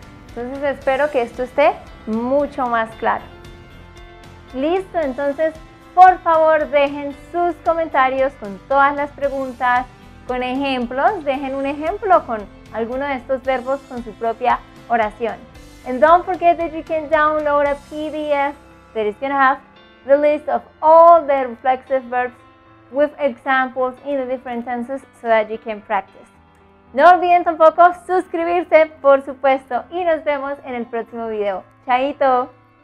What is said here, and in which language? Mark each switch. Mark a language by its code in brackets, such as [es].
[es] Entonces espero que esto esté mucho más claro. Listo, entonces por favor dejen sus comentarios con todas las preguntas, con ejemplos. Dejen un ejemplo con alguno de estos verbos con su propia oración. [en] And don't forget that you can download a PDF that is going to have the list of all the reflexive verbs with examples in the different tenses so that you can practice. [es] No olviden tampoco suscribirse, por supuesto, y nos vemos en el próximo video. ¡Chaito!